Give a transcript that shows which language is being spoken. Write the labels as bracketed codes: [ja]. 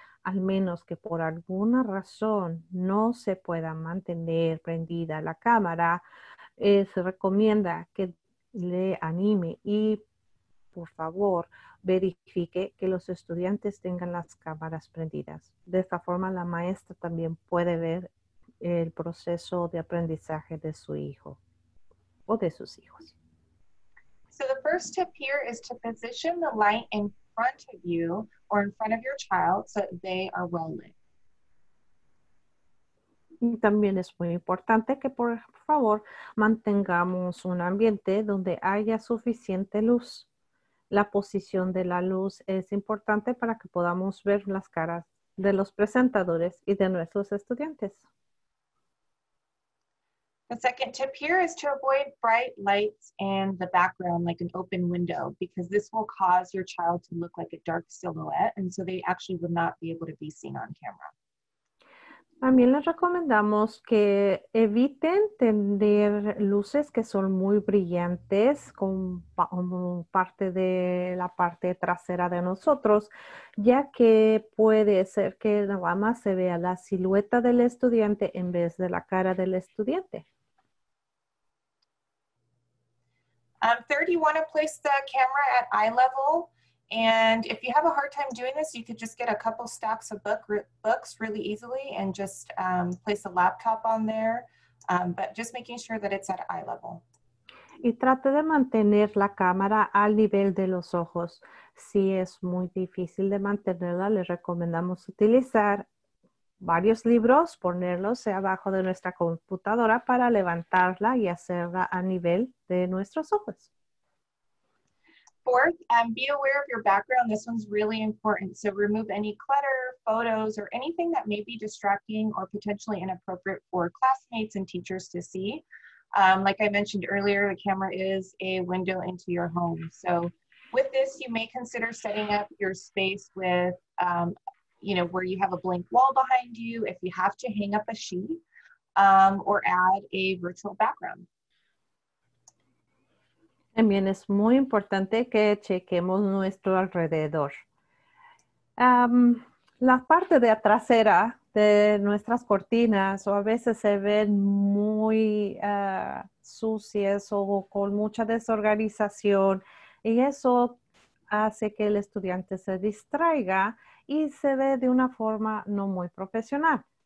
[es] Al menos que por alguna razón no se pueda mantener prendida la cámara, se recomienda que le anime y por favor verifique que los estudiantes tengan las cámaras prendidas. De esta forma la maestra también puede ver el proceso de aprendizaje de su hijo o de sus hijos. [en] So the first tip here is to position the light in front of you or in front of your child so that they are well lit. [es] Y también es muy importante que por favor mantengamos un ambiente donde haya suficiente luz. La posición de la luz es importante para que podamos ver las caras de los presentadores y de nuestros estudiantes. [en] The second tip here is to avoid bright lights and the background, like an open window, because this will cause your child to look like a dark silhouette, and so they actually would not be able to be seen on camera. [es] También les recomendamos que eviten tener luces que son muy brillantes como parte de la parte trasera de nosotros, ya que puede ser que nada más se vea la silueta del estudiante en vez de la cara del estudiante. [en] Third, you want to place the camera at eye level. And if you have a hard time doing this, you could just get a couple stacks of books really easily and just place a laptop on there. But just making sure that it's at eye level. [es] Y trate de mantener la cámara al nivel de los ojos. Si es muy difícil de mantenerla, le recomendamos utilizar varios libros, ponerlos abajo de nuestra computadora para levantarla y hacerla a nivel de nuestros ojos. [en] Fourth, be aware of your background. This one's really important. So remove any clutter, photos, or anything that may be distracting or potentially inappropriate for classmates and teachers to see. Like I mentioned earlier, the camera is a window into your home. So with this, you may consider setting up your space with, where you have a blank wall behind you, if you have to hang up a sheet, or add a virtual background. [es] También es muy importante que chequemos nuestro alrededor. La parte de trasera de nuestras cortinas o a veces se ven muy sucias o con mucha desorganización y eso hace que el estudiante se distraiga y se ve de una forma no muy profesional.